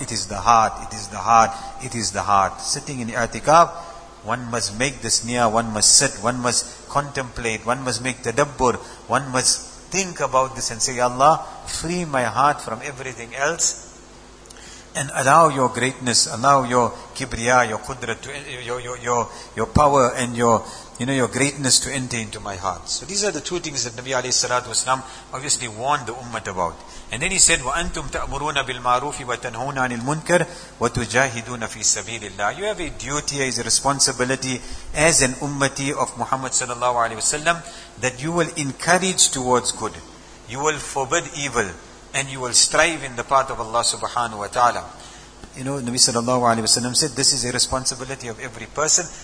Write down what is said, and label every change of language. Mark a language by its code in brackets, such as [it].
[en] It is the heart, it is the heart, it is the heart. Sitting in i'tikaf, one must make this niyah, one must sit, one must contemplate, one must make tadabbur, one must think about this and say, Ya Allah, free my heart from everything else. And allow your greatness, allow your kibriya, your qudrat, your power and your greatness to enter into my heart. So these are the two things that Nabi alayhi salatu wasalam obviously warned the ummah about. And then he said, [ar] وَأَنْتُمْ تَأْمُرُونَ بِالْمَعْرُوفِ وَتَنْهُونَ عَنِ الْمُنْكَرِ وَتُجَاهِدُونَ فِي سَبِيلِ اللَّهِ. [en] You have a duty, as a responsibility as an ummati of Muhammad sallallahu alayhi wasallam, that you will encourage towards good. You will forbid evil. And you will strive in the path of Allah subhanahu wa ta'ala. You know, Nabi sallallahu alayhi wa sallam said, this is a responsibility of every person.